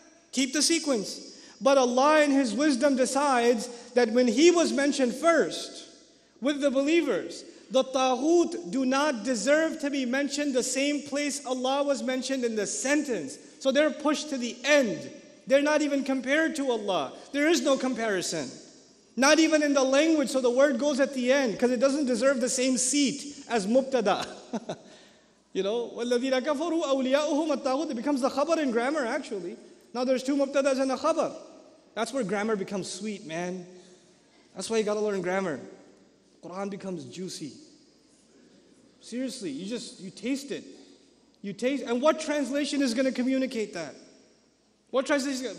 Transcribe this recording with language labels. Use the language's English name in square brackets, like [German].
[English] Keep the sequence. But Allah in His wisdom decides that when He was mentioned first with the believers, the taghut do not deserve to be mentioned the same place Allah was mentioned in the sentence. So they're pushed to the end. They're not even compared to Allah. There is no comparison. Not even in the language, so the word goes at the end because it doesn't deserve the same seat as mubtada. You know, [Arabic] وَالَّذِينَ كَفَرُوا أَوْلِيَاؤُهُمَ الطَّاغُوتُ. [English] It becomes the khabar in grammar, actually. Now there's two mubtadas and a khabar. That's where grammar becomes sweet, man. That's why you gotta learn grammar. Quran becomes juicy. Seriously, you taste it. You taste, and what translation is gonna communicate that? What translation?